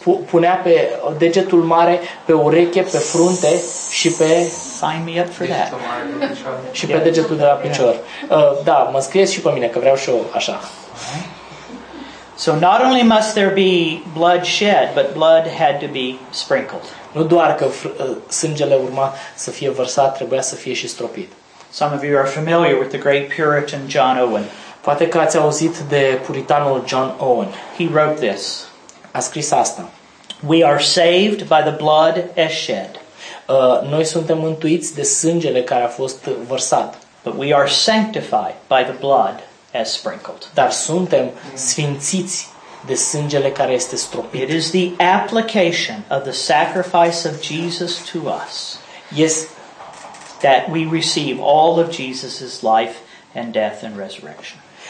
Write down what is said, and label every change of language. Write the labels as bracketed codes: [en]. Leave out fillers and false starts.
[ro] Punea pe degetul mare, pe ureche, pe frunte și pe [en] sign me up for that. [ro] Și pe degetul de la picior. Da, mă scrieți și pe mine că vreau și eu așa. [en] So not only must there be blood shed, but blood had to be sprinkled. [ro] Nu doar că sângele urma să fie vărsat, trebuia să fie și stropit. [en] Some of you are familiar with the great Puritan John Owen. [ro] Poate că ați auzit de puritanul John Owen. [en] He wrote this. [ro] A scris asta. [en] We are saved by the blood as shed. [ro] Noi suntem mântuiți de sângele care a fost vărsat. [en] But we are sanctified by the blood as sprinkled. [ro] Dar suntem sfințiți de sângele care este stropit. [en] It is the application of the sacrifice of Jesus to us. Yes. That we receive all of Jesus's life and death and resurrection.